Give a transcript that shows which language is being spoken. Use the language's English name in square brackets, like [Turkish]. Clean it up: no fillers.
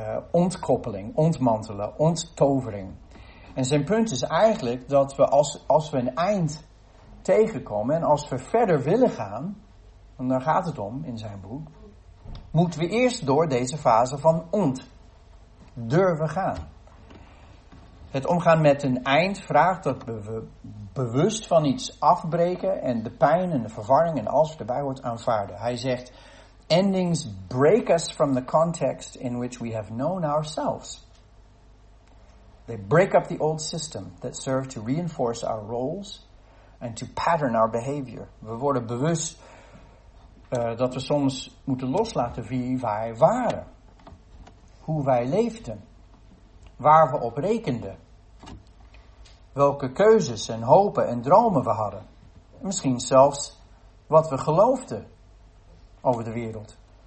[Dutch] Ontkoppeling, ontmantelen, onttovering. En zijn punt is eigenlijk dat we als we een eind tegenkomen en als we verder willen gaan, want daar gaat het om in zijn boek, moeten we eerst door deze fase van ont durven gaan. Het omgaan met een eind vraagt dat we bewust van iets afbreken en de pijn en de verwarring en alles wat erbij hoort aanvaarden. Hij zegt: [English] endings break us from the context in which we have known ourselves. They break up the old system that served to reinforce our roles and to pattern our behavior. [Dutch] We worden bewust dat we soms moeten loslaten wie wij waren. Hoe wij leefden. Waar we op rekenden. Welke keuzes en hopen en dromen we hadden. Misschien zelfs wat we geloofden. Over de wereld.